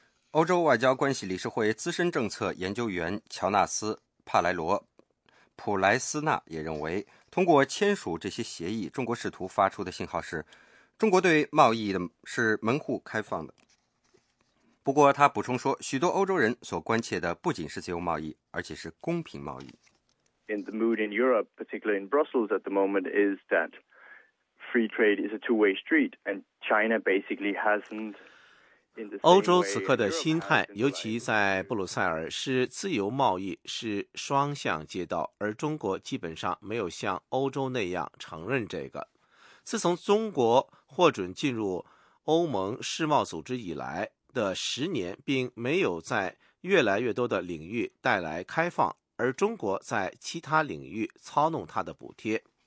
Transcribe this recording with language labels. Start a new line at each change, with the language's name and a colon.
Chinese: 欧洲外交关系理事会资深政策研究员乔纳斯·帕莱罗·普莱斯纳也认为，通过签署这些协议，中国试图发出的信号是，中国对贸易的是门户开放的。不过他补充说，许多欧洲人所关切的不仅是自由贸易，而且是公平贸易。
English: In the mood in Europe, particularly in Brussels at the moment, is that free trade is a two-way street, and China basically hasn't
Chinese: 欧洲此刻的心态，尤其在布鲁塞尔，是自由贸易是双向街道，而中国基本上没有像欧洲那样承认这个。自从中国获准进入欧盟世贸组织以来的十年，并没有在越来越多的领域带来开放，而中国在其他领域操弄它的补贴。